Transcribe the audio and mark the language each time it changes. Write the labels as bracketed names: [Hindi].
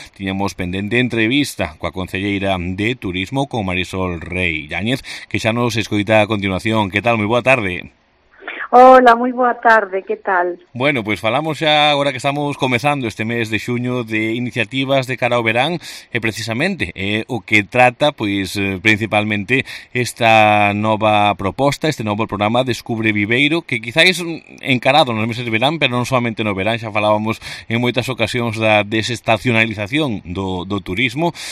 [Galician] Tiñamos pendente entrevista coa concelleira de Turismo, con Marisol Rei Yáñez, que xa nos escoita a continuación. Que tal? Moi boa tarde. [Spanish] Hola, muy buena tarde, ¿qué tal? [Galician] Bueno, pues falamos ya ahora que estamos comenzando este mes de xuño de iniciativas de cara ao verán, precisamente, o que trata, pues, principalmente esta nova proposta, este novo programa Descubre Viveiro, que quizáis encarado nos meses de verán, pero non solamente no verán, xa falábamos en moitas ocasións da desestacionalización do turismo,